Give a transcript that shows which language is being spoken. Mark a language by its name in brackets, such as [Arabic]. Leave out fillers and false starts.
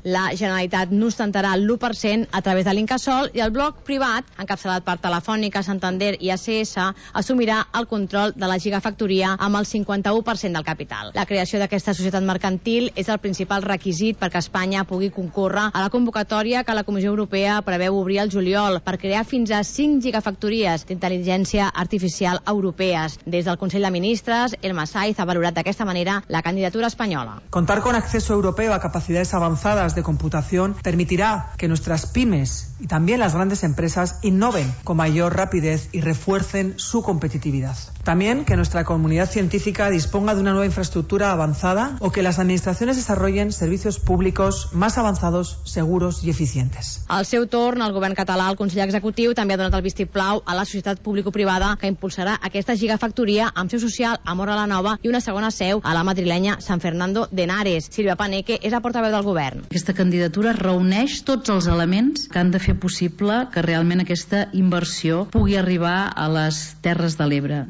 [Catalan] La Generalitat n'ostentarà l'1% a través de l'Incasol i el bloc privat, encapçalat per Telefònica, Santander i ACS, assumirà el control de la gigafactoria amb el 51% del capital. La creació d'aquesta societat mercantil és el principal requisit perquè Espanya pugui concórrer a la convocatòria que la Comissió Europea preveu obrir el juliol per crear fins a 5 gigafactories d'intel·ligència artificial europees. Des del Consell de Ministres, Elma Saiz ha valorat d'aquesta manera la candidatura espanyola. [Spanish] Contar con acceso europeo a capacidades avanzadas de computación permitirá que nuestras pymes y también las grandes empresas innoven con mayor rapidez y refuercen su competitividad. También que nuestra comunidad científica disponga de una nueva infraestructura avanzada o que las administraciones desarrollen servicios públicos más avanzados, seguros y eficientes. [Catalan] Al seu torn, el govern català, el Consell Executiu, també ha donat el vistiplau a la societat público-privada que impulsarà aquesta gigafactoria amb seu social a Móra la Nova i una segona seu a la madrilenya San Fernando de Henares. Silvia Paneque és la portaveu del govern. Aquesta candidatura reuneix tots els elements que han de fer possible que realment aquesta inversió pugui arribar a les Terres de l'Ebre.